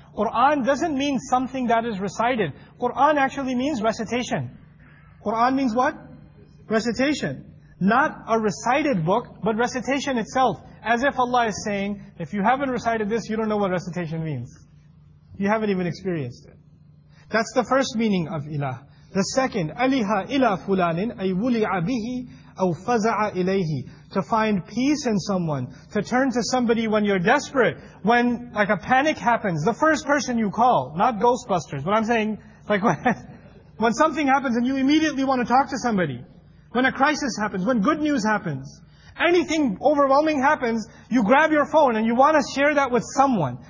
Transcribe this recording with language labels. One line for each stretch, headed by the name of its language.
English: Qur'an doesn't mean something that is recited. Qur'an actually means recitation. Qur'an means what? Recitation. Not a recited book, but recitation itself. As if Allah is saying, if you haven't recited this, you don't know what recitation means. You haven't even experienced it. That's the first meaning of ilah. The second,
Arabic: أَلِهَا إِلَى فُلَانٍ أَيْ وُلِعَ بِهِ أَوْ فَزَعَ إِلَيْهِ.
English: To find peace in someone, to turn to somebody when you're desperate, when like a panic happens, the first person you call, not Ghostbusters, but I'm saying, like when something happens and you immediately want to talk to somebody, when a crisis happens, when good news happens, anything overwhelming happens, you grab your phone and you want to share that with someone.